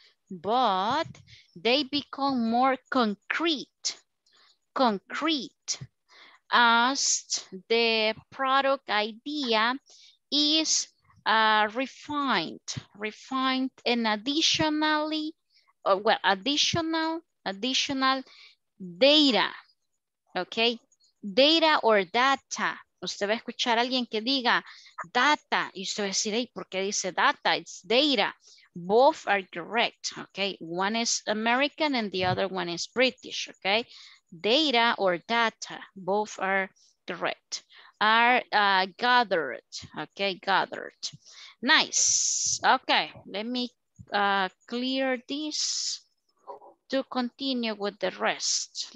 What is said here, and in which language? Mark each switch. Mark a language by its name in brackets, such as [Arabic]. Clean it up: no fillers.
[English] But they become more concrete as the product idea is refined and additional data, okay? Data or data. [Spanish] Usted va a escuchar a alguien que diga data y usted va a decir, hey, ¿por qué dice data? [English] It's data. Both are correct, okay? One is American and the other one is British, okay? Data or data, both are correct. Are gathered, okay, gathered. Nice, okay, let me clear this to continue with the rest.